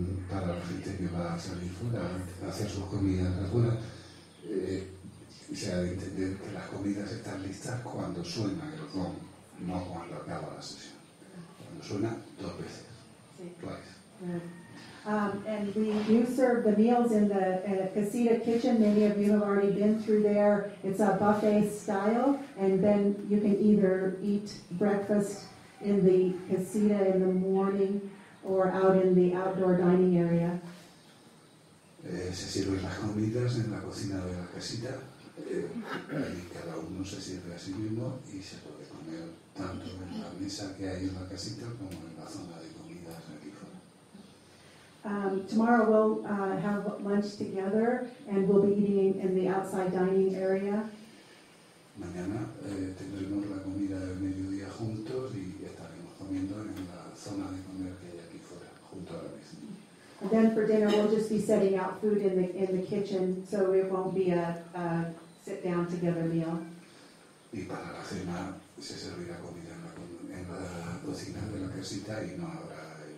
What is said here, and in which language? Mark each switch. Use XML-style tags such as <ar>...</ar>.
<es>Para la gente que va a salir fuera a hacer sus comidas afuera, se ha de entender que las comidas están listas cuando suena el gong, no cuando acaba la sesión. Cuando suena dos veces. Sí.</es> <en>Twice. Yeah. And we do serve the meals in the Casita kitchen. Many of you have already been through there. It's a buffet style, and then you can either eat breakfast in the Casita in the morning or out in the outdoor dining area.</en> <es>Se sirven las comidas en la cocina de la casita. Ahí cada uno se sirve a sí mismo y se puede comer tanto en la mesa que hay en la casita como en la zona de comidas aquí fuera.</es> <en>Tomorrow we'll have lunch together and we'll be eating in the outside dining area.</en> <es>Mañana tendremos la comida del mediodía juntos y estaremos comiendo en la zona de comer que hay aquí fuera, junto a la mesa.</es> <en>And then for dinner we'll just be setting out food in the kitchen, so it won't be a sit down together meal.</en> <es>Y para la cena se servirá comida en la cocina de la casita y no habrá.</es>